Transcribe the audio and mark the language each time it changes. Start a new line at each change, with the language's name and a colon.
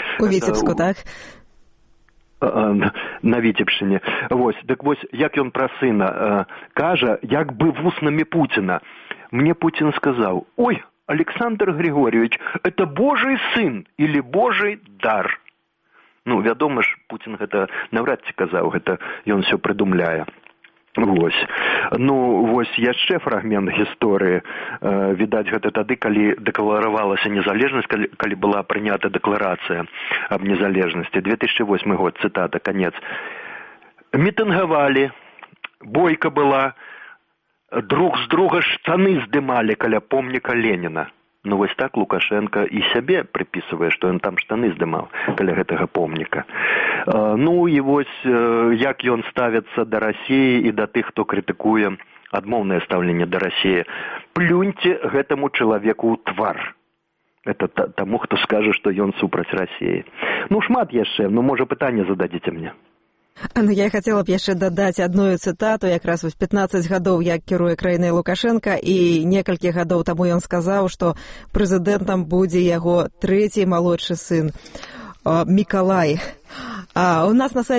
Russian: У Витебску, так? На Витебщине. Вот, так вот, как он про сына каже, как бы в устнами Путина. Мне Путин сказал, ой, Александр Григорьевич, это Божий сын или Божий дар?
Belarusian: Ну, вядома ж, Путін гэта навряд ці казаў, гэта ён усё прыдумляе. Вось. Ну, вось яшчэ фрагмент гісторыі. Відаць, гэта тады, калі дэкларавалася незалежнасць, калі была прынята дэкларацыя аб незалежнасці. 2008 год, цытата, канец. Мітынгавалі, бойка была, друг з друга штаны здымалі каля помніка Леніна. Ну, вось так Лукашенко і сябе прыпісывае, што ён там штаны здымаў каля гэтага помніка. Ну, і вось, як ён ставіцца да Расіі і да тых, хто крытыкуе адмоўнае стаўленне да Расіі. Плюньце гэтаму чалавеку ў твар. Это таму, хто скажа, што ён супраць Расіі. Ну, шмат яшчэ, ну, можа, пытанне зададзіце мне.
Russian: Ну, я хотела бы еще додать одну цитату, как раз в 15 годов я керую краиной Лукашенко, и несколько годов тому он сказал, что президентом будет его третий молодший сын, Миколай. А у нас на сайте